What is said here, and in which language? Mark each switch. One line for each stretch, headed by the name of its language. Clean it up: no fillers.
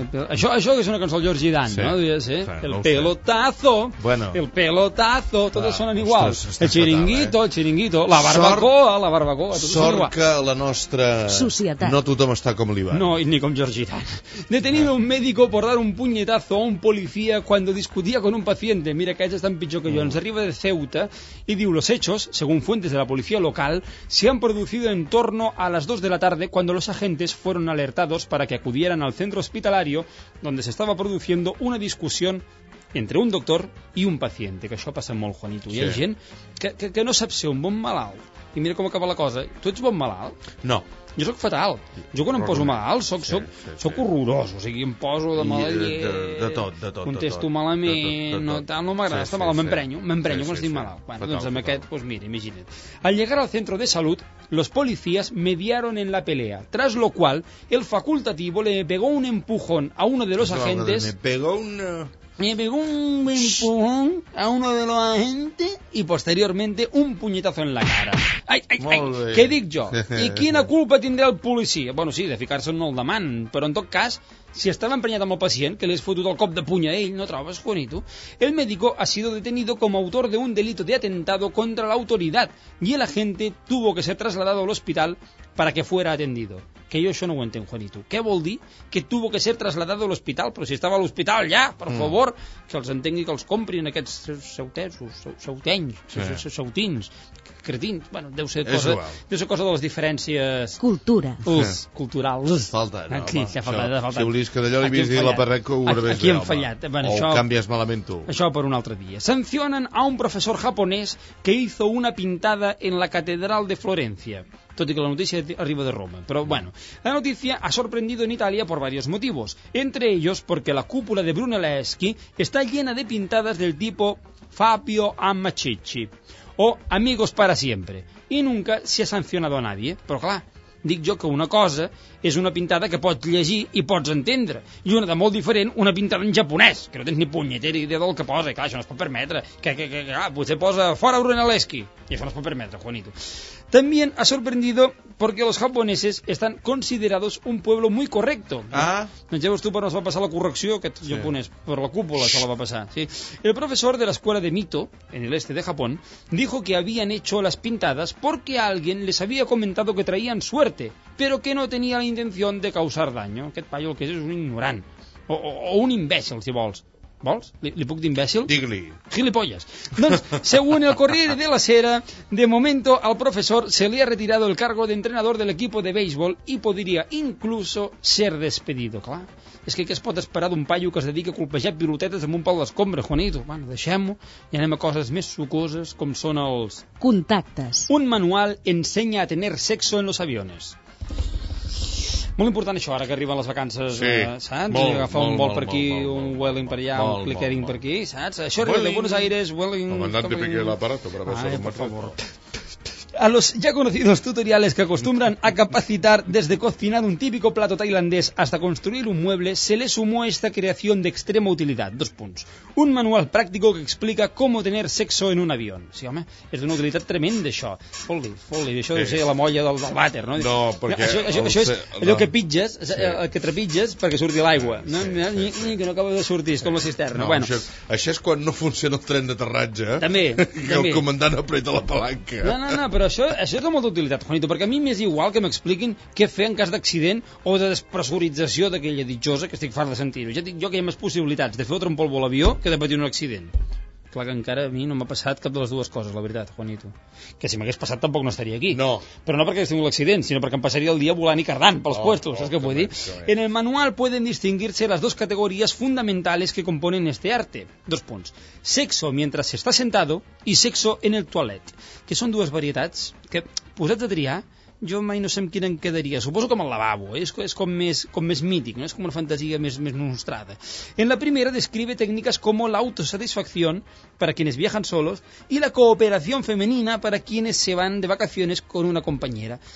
Catalan: Això que és una cançó del George Gidan, no? El Pelotazo. Bueno. El Pelotazo. Totes sonen iguals. El Chiringuito. La barbacoa, Sort que la nostra societat no tothom està com l'Ivan. No, ni com George Gidan.
Spanish: Detenido un médico por dar un puñetazo a un policía cuando discutía con un paciente.
Catalan: Mira, aquests estan pitjor que jo. Ens arriba de Ceuta i diu:
Spanish: los hechos, según fuentes de la policía local, se han producido en torno a las 2 de la tarde cuando los agentes fueron alertados para que acudieran al centro hospitalario donde se estaba produciendo una discusión entre un doctor i un paciente.
Catalan: Que això passa molt, Juanito. Hi ha gent que no sap ser un bon malalt. I mira com acaba la cosa. Tu ets bon malalt? No. Jo sóc fatal. Jo quan em poso malalt sóc horrorós. O sigui, em poso de mal llet. De tot. Contesto malament. No m'agrada estar malalt. M'emprenyo quan estic malalt. Bueno, doncs amb aquest, doncs mira, imagina't.
Spanish: Al llegar al centro de salut, los policías mediaron en la pelea, tras lo cual el facultativo le pegó un empujón a uno de los agentes. Me pegó un empujón a uno de los agentes y posteriormente un puñetazo en la cara.
Catalan: Ai, què dic jo? I quina culpa tindrà el policia? Bueno, sí, de ficar-se en el damant, però en tot cas, si estava emprenyat amb el pacient, que li has fotut el cop de puny a ell, no trobes, Juanito?
Spanish: El médico ha sido detenido como autor de un delito de atentado contra la autoridad y el agente tuvo que ser trasladado al hospital para que fuera atendido.
Catalan: Que jo això no ho entenc, Juanito. Què vol dir que
Spanish: tuvo que ser trasladado
Catalan: a l'hospital? Però si estava a l'hospital ja, per favor, que els entengui, que els comprin aquests ceutesos, ceutenys, ceutins, cretins. Bueno, deu ser cosa de les diferències... Cultura. Culturals. Falta, no? Aquí, home, falta. Si volies que d'allò li havies dit la perreca, ho veuràs bé, aquí hem fallat. Bueno, o això, canvies malament tu. Això per un altre dia. Sancionen a un professor japonès que
Spanish: hizo una pintada en la catedral de Florencia.
Catalan: Tot i que la notícia arriba de Roma. Però, bueno, la notícia
Spanish: ha sorprendido en Itàlia por varios motivos. Entre ellos, porque la cúpula de Brunelleschi está llena de pintadas del tipo Fabio Amachichi o Amigos para siempre. Y nunca se ha sancionado a nadie.
Catalan: Però, clar, dic jo que una cosa és una pintada que pots llegir i pots entendre. I una de molt diferent, una pintada en japonès, que no tens ni punyetera idea del que posa. I, clar, això no es pot permetre. Que potser posa fora Brunelleschi. I això no es pot permetre, Juanito.
Spanish: También ha sorprendido porque los japoneses están considerados un pueblo muy correcto.
Catalan: Ah. Doncs ja veus tu per on es va passar la correcció, aquest japonès, per la cúpula se la va passar. Sí.
Spanish: El profesor de la escuela de Mito, en el este de Japón, dijo que habían hecho las pintadas porque alguien les había comentado que traían suerte, pero que no tenía la intención de causar daño.
Catalan: Aquest paio el que és un ignorant, o un imbècil, si vols. Vols? Li puc d'imbècil? Digue-li. Gilipollas.
Spanish: Doncs, según el Corriere de la Sera, de momento al profesor se le ha retirado el cargo de entrenador del equipo de béisbol y podría incluso ser despedido.
Catalan: Clar, és que què es pot esperar d'un paio que es dedica a colpejar pilotetes amb un pal d'escombra, Juanito? Bueno, deixem-ho i anem a coses més sucoses, com són els... Contactes. Un manual ensenya a
Spanish: tener sexo en los aviones.
Catalan: Molt important això, ara que arriben les vacances, saps? Molt, agafar un vol per aquí, molt, un Welling per allà, molt, un Clickering per aquí, saps? Això arriba de Buenos Aires, Welling... Comandant de Piqué l'aparato, però va ser un
Spanish: A los ya conocidos tutoriales que acostumbran a capacitar desde cocinar un típico plato tailandés hasta construir un mueble, se le sumó esta creación de extrema utilidad.
Catalan: Dos punts.
Spanish: Un manual práctico que explica cómo tener sexo en un avión.
Catalan: Sí, home, és d'una utilitat tremenda, això. Foli, això deu ser la molla del vàter, no? No, perquè... Això és allò que pitges, el que trepitges perquè surti l'aigua. Que no acaba de sortir, és com la cisterna. No, bueno. Això és quan no funciona el tren d'aterratge. També. El comandant apreta la palanca. No, però això és de molta utilitat, Juanito, perquè a mi m'és igual que m'expliquin què fer en cas d'accident o de despressurització d'aquella ditjosa que estic fart de sentir. Ja dic jo que hi ha més possibilitats de fer un trompol a l'avió que de patir un accident. Clar que encara a mi no m'ha passat cap de les dues coses, la veritat, Juanito. Que si m'hagués passat tampoc no estaria aquí. No. Però no perquè hagués tingut l'accident, sinó perquè em passaria el dia volant i cardant pels puestos, saps què vull dir?
Spanish: En el manual pueden distinguirse las dos categorías fundamentales que componen este arte.
Catalan: Dos punts.
Spanish: Sexo mientras se está sentado y sexo en el toilet.
Catalan: Que són dues varietats que, posats a triar, jo mai no sé amb quina em quedaria. Suposo que amb el lavabo, és com més mític, no? És com una fantasia més mostrada.
Spanish: En la primera describe
Catalan: tècniques com l'autosatisfacció per a
Spanish: quienes viajan solos
Catalan: i la cooperació femenina per a
Spanish: quienes se van de vacaciones con una compañera.